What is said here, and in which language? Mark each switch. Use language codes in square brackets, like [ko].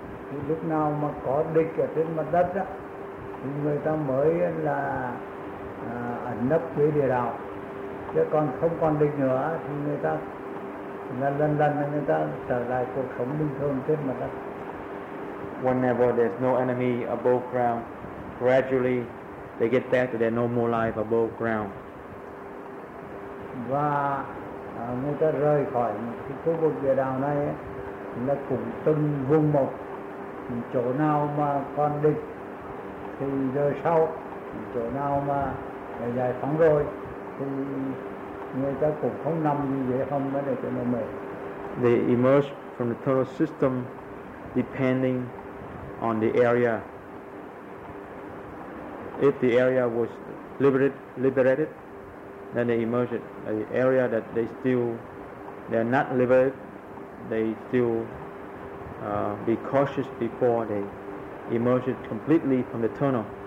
[vi] Thì lúc nào mà có địch ở trên mặt đất á thì người ta mới là ẩn nấp dưới địa đạo, chứ còn không còn địch nữa thì người ta lần lần người ta trở lại cuộc sống bình thường trên mặt đất. [en] Whenever there's no enemy above ground, gradually they get back to their normal life above ground. [vi] Và người ta rời khỏi cái khu vực địa đạo này là cũng từng vùng một. Chỗ nào mà còn địch thì giờ sau, chỗ nào mà giải phóng rồi thì người ta cũng không nằm như vậy không mới được cho nó mệt. [en] They emerge from the tunnel system depending on the area. if the area was liberated, then they emerged an area that they still, they are not liberated, they still be cautious before they emerge completely from the tunnel.